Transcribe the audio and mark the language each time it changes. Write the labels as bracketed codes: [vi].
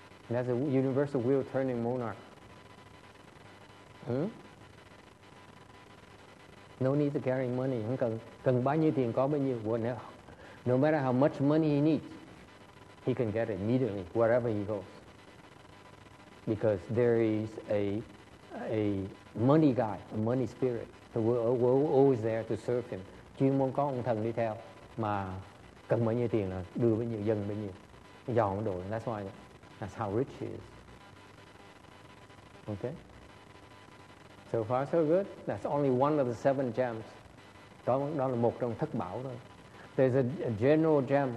[en] That's a universal wheel turning monarch. No need to carry money. [vi] Không cần bao nhiêu tiền có bao nhiêu. [en] No matter how much money he needs, he can get it immediately wherever he goes. Because there is a a money guy, a money spirit, so we're always there to serve him. [vi] Chuyên môn có ông thần đi theo mà cần bao nhiêu tiền là đưa bao nhiêu, dân bao nhiêu, dọn đồ. [en] That's why, that's how rich he is. Okay. So far so good. That's only one of the seven gems. [vi] Đó là một trong thất bảo thôi. [en] There's a general gem.